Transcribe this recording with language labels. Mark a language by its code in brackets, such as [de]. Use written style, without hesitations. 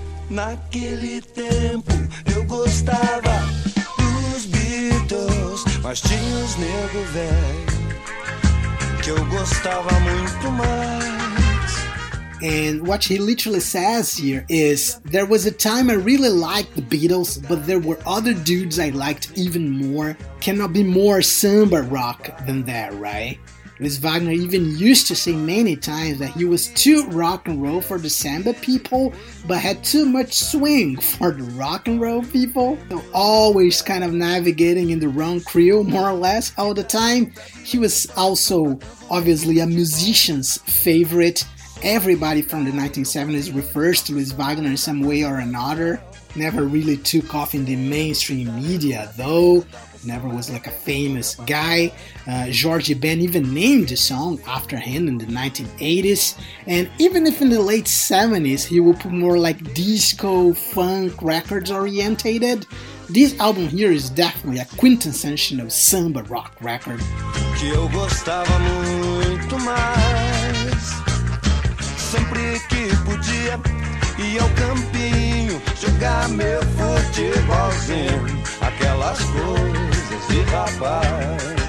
[pt] Naquele tempo eu gostava dos Beatles, mas tinha os nego velho que eu gostava muito mais. [en] And what he literally says here is, there was a time I really liked the Beatles, but there were other dudes I liked even more. Cannot be more samba rock than that, right? Luis Wagner even used to say many times that he was too rock and roll for the samba people, but had too much swing for the rock and roll people. So always kind of navigating in the wrong creole, more or less, all the time. He was also, obviously, a musician's favorite. Everybody from the 1970s refers to Luis Wagner in some way or another. Never really took off in the mainstream media, though. Never was like a famous guy. Jorge Ben even named the song after him in the 1980s. And even if in the late 70s he would put more like disco, funk, records orientated, this album here is definitely a quintessential samba rock record. [pt] Que eu gostava muito mais. Sempre que podia ir ao campinho jogar meu futebolzinho, aquelas coisas de rapaz.